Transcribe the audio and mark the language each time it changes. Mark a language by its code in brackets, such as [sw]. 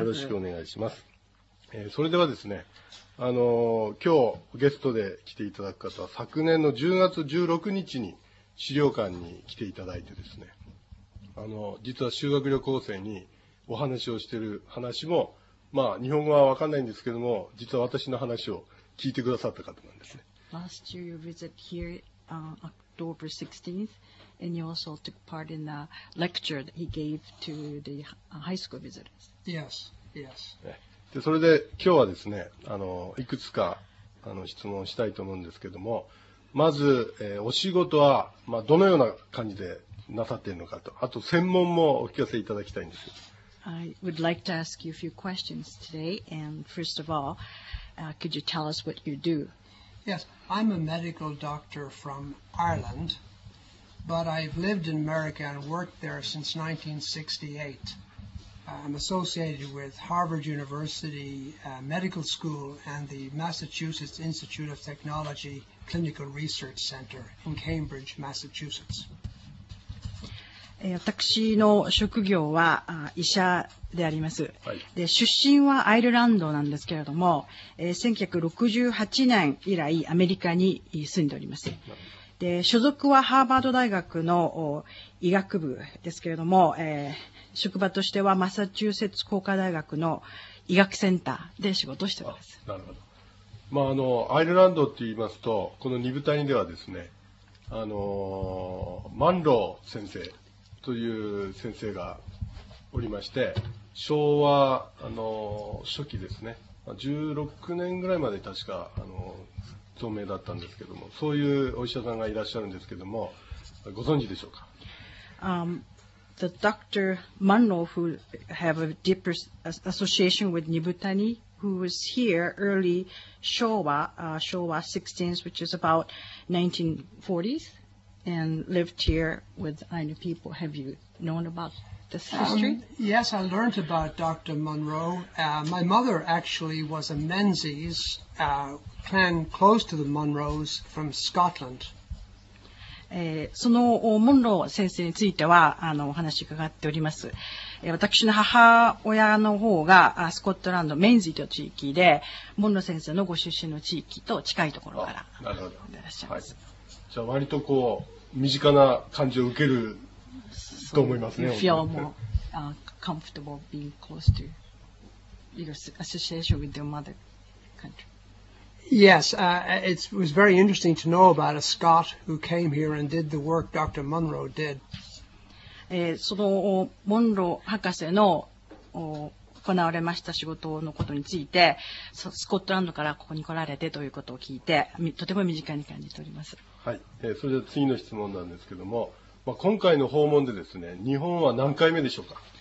[ja] よろしくお願いします。それではですね、今日ゲストで来ていただく方は昨年の10月16日に資料館に来ていただいてですね、実は修学旅行生にお話をしている話も、まあ日本語は分かんないんですけども、実は私の話を聞いてくださった方なんですね。 [en] Last year you visit here October 16thAnd you also took part in the lecture that he gave to the high school visitors. Yes, yes. [ja] で、それで今日はですね、いくつか質問したいと思うんですけども、まず、お仕事は、まあ、どのような感じでなさっているのかと、あと専門もお聞かせいただきたいんです。 [en] I would like to ask you a few questions today. And first of all, could you tell us what you do? Yes, I'm a medical doctor from Ireland. But I've lived in America and worked there since 1968. I'm associated with Harvard University Medical School and the Massachusetts Institute of Technology Clinical Research Center in Cambridge, Massachusetts. [ja] 私の職業は医者であります、はい、で出身はアイルランドなんですけれども、1968年以来アメリカに住んでおります。で所属はハーバード大学の医学部ですけれども、職場としてはマサチューセッツ工科大学の医学センターで仕事しております。なるほど。まあ、アイルランドといいますと、この二部谷ではですね、マンロー先生という先生がおりまして、昭和、初期ですね、16年ぐらいまで確か、聡明だったんですけども、そういうお医者さんがいらっしゃるんですけども、ご存知でしょうか。 [en] The Dr. Munro, who have a deep association with Nibutani, who was here early Showa, Showa 16th, which is about 1940s, and lived here with Ainu people. Have you known about this history? Yes, I learned about Dr. Munro. My mother actually was a Menzies, clan close to the Munros from Scotland. [ja] そのモンロー先生についてはお話伺っております。私の母親の方がスコットランドメンズという地域で、モンロー先生のご出身の地域と近いところからいらっしゃいます。じゃあ割とこう身近な感じを受けると思いますね。 [en] So、you feel more comfortable being close to your association with your mother country. Yes, it was very interesting to know about a Scot who came here and did the work Dr. Munro did. [ja] そのモンロー博士の行われました仕事のことについて、スコットランドからここに来られてということを聞いて、とても身近に感じております。はい、それでは次の質問なんですけども、まあ、今回の訪問でですね、日本は何回目でしょうか。